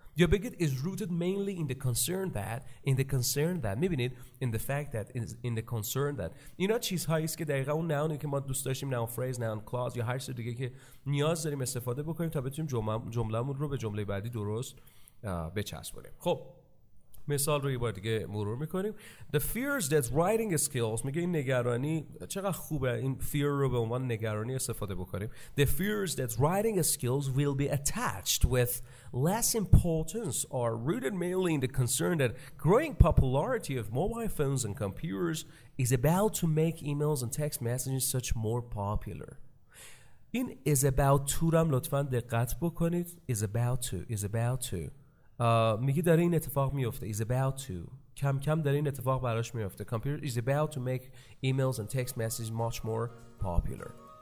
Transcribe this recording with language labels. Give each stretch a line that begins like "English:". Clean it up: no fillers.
Persian: یا بگید
English: is rooted mainly in the concern that
Persian: میبینید
English: in the fact that in the concern that
Persian: اینا چیزهایی است که دقیقاً اون نونی که ما دوست داشتیم
English: noun phrase noun clause
Persian: یا هر چیز دیگه که نیاز داریم استفاده بکنیم تا بتونیم جملهمون رو به جمله بعدی درست بچسبونیم. خب مثال رو یه بار دیگه مرور میکنیم.
English: The fears that writing skills
Persian: میگه این نگرانی چقدر خوبه این fear رو به عنوان نگرانی استفاده بکنیم.
English: The fears that writing skills will be attached with less importance are rooted mainly in the concern that growing popularity of mobile phones and computers is about to make emails and text messages such more popular.
Persian: این is about to رو هم لطفاً دقت بکنید.
English: Is about to
Persian: میگه داره این اتفاق میفته.
English: Is about to.
Persian: کم کم داره این اتفاق براش میفته.
English: Computer is about to make emails and text messages much more popular.